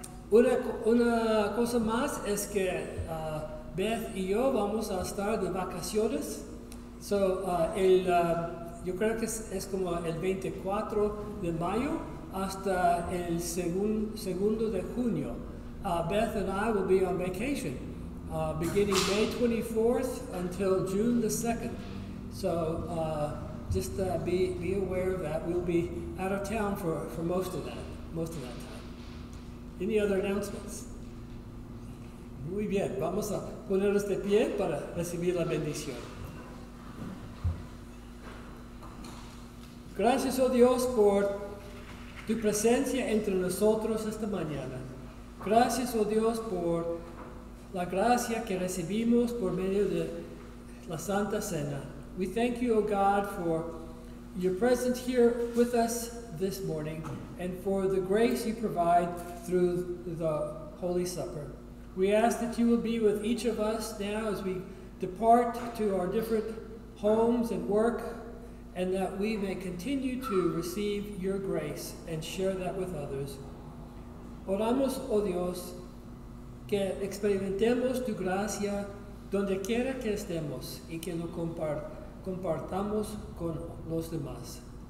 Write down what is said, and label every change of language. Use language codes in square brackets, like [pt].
[es] Una cosa más es que Beth y yo vamos a estar de vacaciones. So, yo creo que es como el 24 de mayo hasta el 2 de junio. [en] Beth and I will be on vacation, beginning May 24th until June the 2nd. So, just be aware of that. We'll be out of town for most of that time. Any other announcements? [es] Muy bien. Vamos a ponernos de pie para recibir la bendición. Gracias, oh Dios, por tu presencia entre nosotros esta mañana. Gracias, oh Dios, por la gracia que recibimos por medio de la Santa Cena. [en] We thank you, oh God, for your presence here with us this morning and for the grace you provide through the Holy Supper. We ask that you will be with each of us now as we depart to our different homes and work, and that we may continue to receive your grace and share that with others. [es] Oramos, oh Dios, que experimentemos tu gracia donde quiera que estemos y que lo compartamos con los demás.